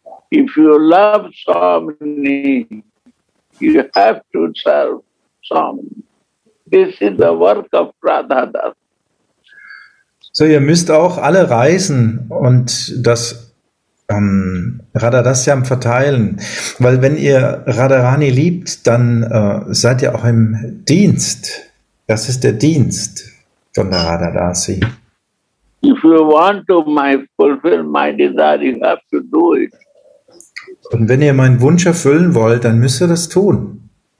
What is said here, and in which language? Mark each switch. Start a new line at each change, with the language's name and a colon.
English: If you love Swami, you have to serve Swami. This is the work of Radha Das.
German: So, ihr müsst auch alle reisen und das Radha Dasyam verteilen. Weil wenn ihr Radharani liebt, dann seid ihr auch im Dienst. Das ist der Dienst von der Radha Dasi.
English: If you want to fulfill my desire, you have to do it.
German: Und wenn ihr meinen Wunsch erfüllen wollt, dann müsst ihr das tun.